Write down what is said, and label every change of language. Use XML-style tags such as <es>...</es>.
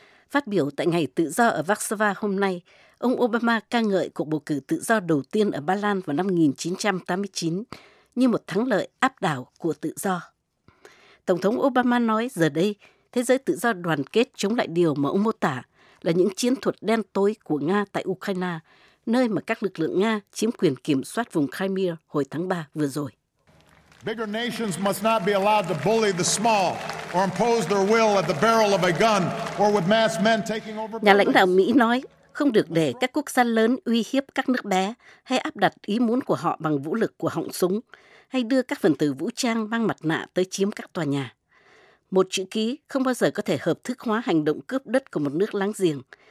<vi>Phát biểu tại Ngày Tự do ở Warsaw hôm nay, ông Obama ca ngợi cuộc bầu cử tự do đầu tiên ở Ba Lan vào năm 1989 như một thắng lợi áp đảo của tự do. Tổng thống Obama nói giờ đây, thế giới tự do đoàn kết chống lại điều mà ông mô tả là những chiến thuật đen tối của Nga tại Ukraine, nơi mà các lực lượng Nga chiếm quyền kiểm soát vùng Crimea hồi tháng 3 vừa rồi.</vi> <en>Bigger nations must not be allowed to bully the small or impose their will at the barrel of a gun or with mass men taking over buildings.</en> <vi>Nhà lãnh đạo Mỹ nói không được để các quốc gia lớn uy hiếp các nước bé hay áp đặt ý muốn của họ bằng vũ lực của họng súng hay đưa các phần tử vũ trang mang mặt nạ tới chiếm các tòa nhà. Một chữ ký không bao giờ có thể hợp thức hóa hành động cướp đất của một nước láng giềng.</vi>